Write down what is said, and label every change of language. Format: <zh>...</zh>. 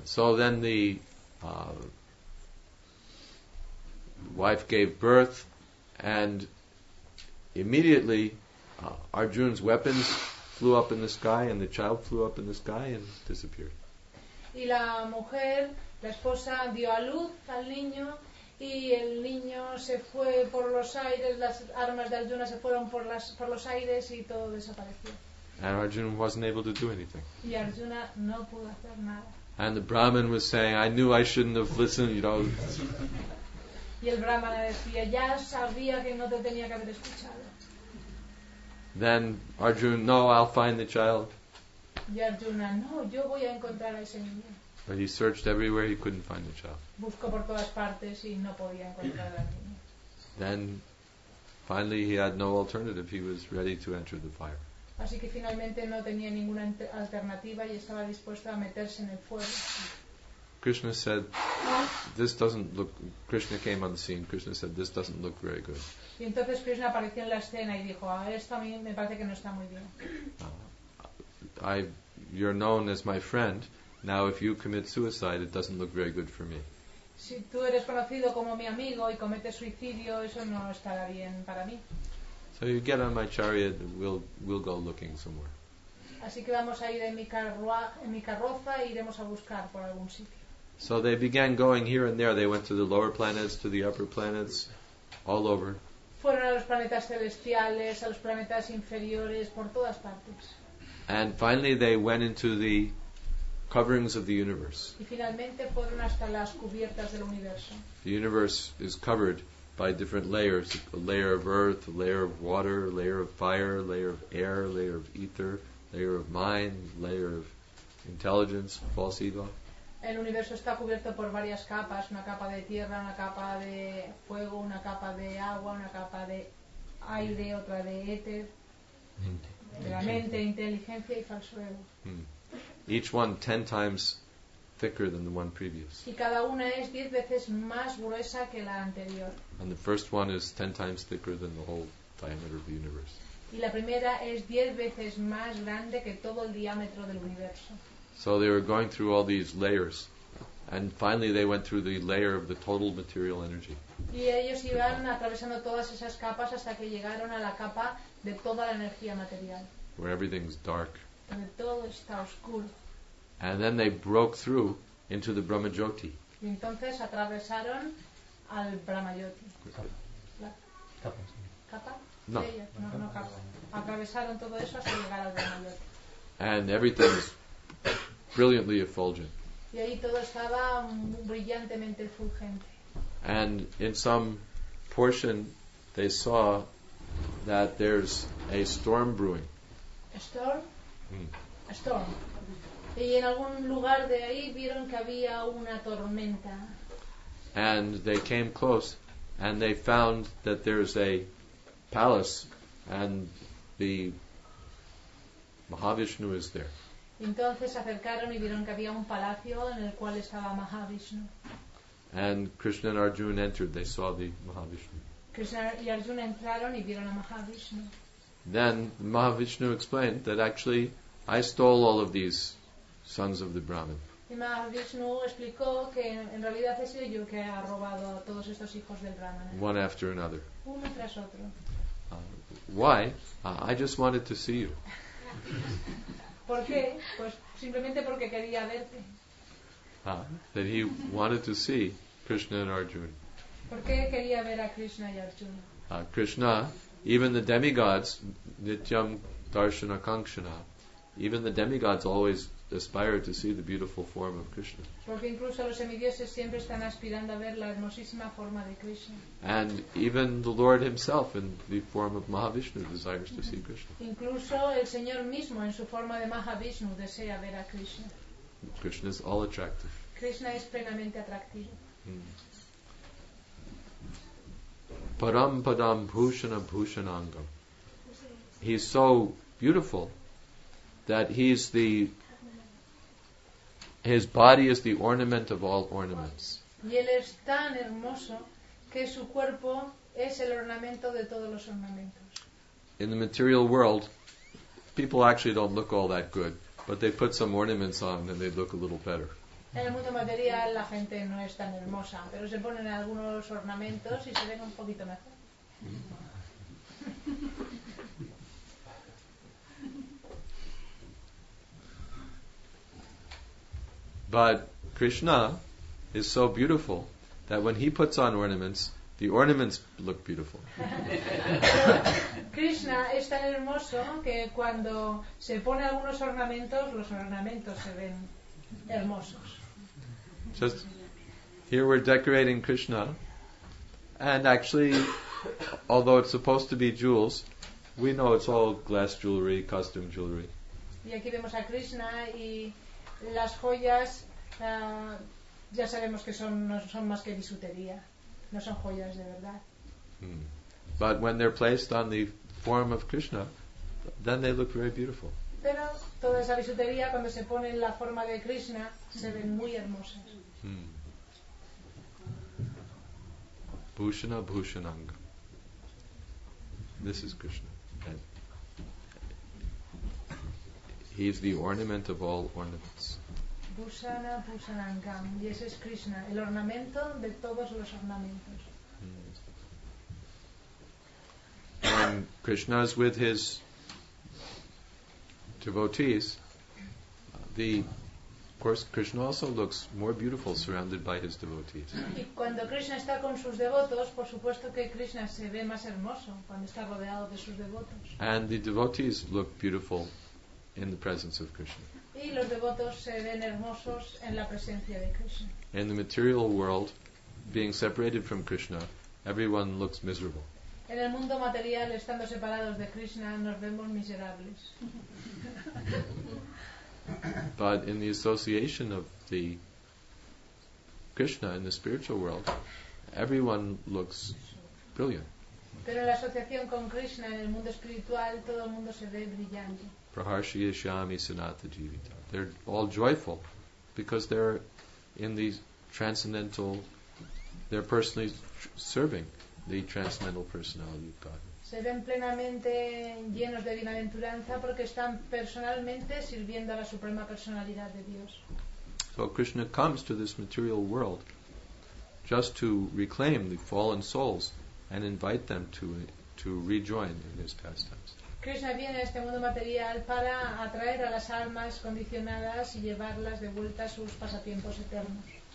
<en>So then the wife gave birth, and immediately Arjuna's weapons flew up in the sky, and the child flew up in the sky and disappeared.</en> <es>Y la mujer, la esposa, dio a luz al niño, y el niño se fue por los aires, las armas de Arjuna se fueron por los aires, y todo desapareció.</es> <en>And Arjuna wasn't able to do anything.</en> <es>Y Arjuna no pudo hacer nada.</es> <en>And the Brahmin was saying, I knew I shouldn't have listened, you know.</en> <es>Y el Brahmana decía, ya sabía que no te tenía que haber escuchado.</es> <en>Then Arjuna, no, I'll find the child.</en> <es>Y Arjuna, no, yo voy a encontrar a ese niño.</es> <en>But he searched everywhere, he couldn't find the child.</en> <es>Buscó por todas partes y no podía encontrar al niño.</es> <en>Then, finally, he had no alternative. He was ready to enter the fire.</en> <es>Así que finalmente no tenía ninguna alternativa y estaba dispuesto a meterse en el fuego.</es> <en>Krishna said, this doesn't look... Krishna came on the scene. Krishna said, this doesn't look very good.</en> <es>Y entonces Krishna apareció en la escena y dijo, esto a mí me parece que no está muy bien.</es> <en>You're known as my friend. Now if you commit suicide, it doesn't look very good for me.</en> <es>Si tú eres conocido como mi amigo y cometes suicidio, eso no estará bien para mí.</es> <en>So you get on my chariot, we'll go looking somewhere.</en> <es>Así que vamos a ir en mi carroza e iremos a buscar por algún sitio.</es> <en>So they began going here and there. They went to the lower planets, to the upper planets, all over.</en> <es>Fueron a los planetas celestiales, a los planetas inferiores, por todas partes.</es> <en>And finally they went into the coverings of the universe.</en> <es>Y finalmente fueron hasta las cubiertas del universo.</es> <en>The universe is covered by different layers, a layer of earth, a layer of water, a layer of fire, a layer of air, a layer of ether, a layer of mind, a layer of intelligence, false ego.</en> <es>El universo está cubierto por varias capas, una capa de tierra, una capa de fuego, una capa de agua, una capa de aire, otra de éter, de la mente, inteligencia y falso ego.</es> <en>each one 10 times thicker than the one previous.</en> <es>Y cada una es 10 veces más gruesa que la anterior.</es> <en>And the first one is 10 times thicker than the whole diameter of the universe.</en> <es>Y la primera es 10 veces más grande que todo el diámetro del universo.</es> <en>So they were going through all these layers. And finally they went through the layer of the total material energy.</en> <es>Y ellos iban atravesando todas esas capas hasta que llegaron a la capa de toda la energía material.</es> <en>Where everything's dark.</en> <es>Donde todo está oscuro.</es> <en>And then they broke through into the Brahmajyoti.</en> <es>Y entonces atravesaron al Brahmajyoti. Capa. Capa. No. No, atravesaron todo eso hasta llegar al Brahmajyoti.</es> <en>And everything is brilliantly effulgent.</en> <es>Y ahí todo estaba brillantemente fulgente.</es> <en>And in some portion they saw that there's a storm brewing. A storm.</en> <es>Y en algún lugar de ahí vieron que había una tormenta.</es> <en>And they came close and they found that there's a palace and the Mahavishnu is there.</en> <es>Entonces se acercaron y vieron que había un palacio en el cual estaba Mahavishnu.</es> <en>And Krishna and Arjuna entered, they saw the Mahavishnu.</en> <es>Krishna y Arjuna entraron y vieron a Mahavishnu.</es> <en>Then Mahavishnu explained that actually I stole all of these sons of the Brahman.</en> <es>Y Mahavishnu explicó que en realidad he sido yo que ha robado a todos estos hijos del Brahman.</es> <en>One after another.</en> <es>Uno tras otro.</es> <en>Why? I just wanted to see you.</en> <es>¿Por qué? Pues simplemente porque quería verte.</es> <en>That he wanted to see Krishna and Arjuna.</en> <es>¿Por qué quería ver a Krishna y Arjuna?</es> <en>Krishna, even the demigods,</en> <sa>Nityam Darshana Kankshana,</sa> <en>even the demigods always aspire to see the beautiful form of Krishna.</en> <es>Porque incluso los semidioses siempre están aspirando a ver la hermosísima forma de Krishna.</es> <en>And even the Lord himself in the form of Mahavishnu desires to see Krishna.</en> <es>Incluso el Señor mismo en su forma de Mahavishnu desea ver a Krishna.</es> <en>Krishna is all attractive.</en> <es>Krishna es plenamente atractivo.</es> <sa>Param padam bhushana bhushanangam.</sa> <en>He's so beautiful that he's the His body is the ornament of all ornaments.</en> <es>Y él es tan hermoso que su cuerpo es el ornamento de todos los ornamentos.</es> <en>In the material world, people actually don't look all that good, but they put some ornaments on and they look a little better.</en> <es>En el mundo material la gente no es tan hermosa, pero se ponen algunos ornamentos y se ven un poquito mejor.</es> <en>But Krishna is so beautiful that when he puts on ornaments, the ornaments look beautiful.</en> <es>Krishna es tan hermoso que cuando se pone algunos ornamentos, los ornamentos se ven hermosos.</es> <en>Just here we're decorating Krishna, and actually, although it's supposed to be jewels, we know it's all glass jewelry, costume jewelry.</en> <es>Y aquí vemos a Krishna y las joyas ya sabemos que no son más que bisutería, no son joyas de verdad.</es> <en>But when they're placed on the form of Krishna, then they look very beautiful.</en> <es>Pero toda esa bisutería cuando se pone en la forma de Krishna se ven muy hermosas.</es> <sa>Bhushana bhushananga.</sa> <en>This is Krishna. He is the ornament of all ornaments.</en> <sa>Bhushana bhushanangam.</sa> <es>Y ese es Krishna, el ornamento de todos los ornamentos.</es> <en>And Krishna is with his devotees. Of course, Krishna also looks more beautiful surrounded by his devotees.</en> <es>Y cuando Krishna está con sus devotos, por supuesto que Krishna se ve más hermoso cuando está rodeado de sus devotos.</es> <en>And the devotees look beautiful in the presence of Krishna.</en> <es>Y los devotos se ven hermosos en la presencia de Krishna.</es> <en>In the material world, being separated from Krishna, everyone looks miserable.</en> <es>En el mundo material, estando separados de Krishna, nos vemos miserables.</es> <en>But in the association of the Krishna in the spiritual world, everyone looks brilliant.</en> <es>Pero en la asociación con Krishna en el mundo espiritual, todo el mundo se ve brillante.</es> <sa>Praharshi Yashami Sanata Jivita.</sa> <en>They're all joyful because they're in these transcendental, they're personally serving the transcendental personality of God.</en> <es>Se ven plenamente llenos de bienaventuranza porque están personalmente sirviendo a la suprema personalidad de Dios.</es> <en>So Krishna comes to this material world just to reclaim the fallen souls and invite them to rejoin in his pastimes.</en> <es>Krishna viene a este mundo material para atraer a las almas condicionadas y llevarlas de vuelta a sus pasatiempos eternos.</es>